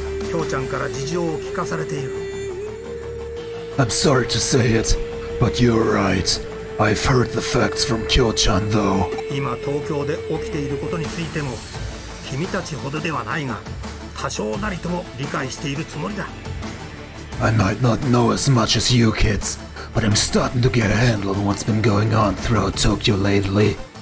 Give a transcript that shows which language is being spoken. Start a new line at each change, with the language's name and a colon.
English: I'm sorry to say it, but you're right. I've heard the facts from Kyo-chan, though.
Japanese: 今東京で起きていることについても 君たちほどではないが多少なりとも理解しているつもりだ。
English: I might not know as much as you kids, but I'm starting to get a handle on what's been going on throughout Tokyo lately.